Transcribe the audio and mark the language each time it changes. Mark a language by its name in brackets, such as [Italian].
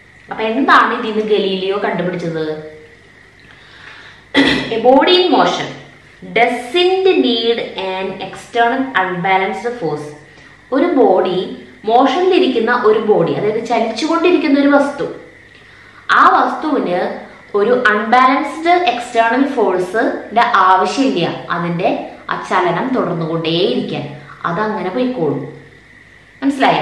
[Malayalam] അപ്പോൾ എന്താണ് ഇതിന് ഗലീലിയോ കണ്ടുപിടിച്ചത്? [English] A body in motion doesn't need an external unbalanced force. [Malayalam] ഒരു ബോഡി മോഷനിലിരിക്കുന്ന ഒരു ബോഡി, അതായത് ചലിച്ചുകൊണ്ടിരിക്കുന്ന ഒരു വസ്തു, ആ വസ്തുവിന് ഒരു അൺബാലൻസ്ഡ് എക്സ്റ്റേണൽ ഫോഴ്സിന്റെ ആവശ്യമില്ല അതിന്റെ ആ ചലനം തുടർന്നുകൊണ്ടേയിരിക്കാൻ. അതങ്ങനെ പോയിക്കോളും. മനസ്സിലായി?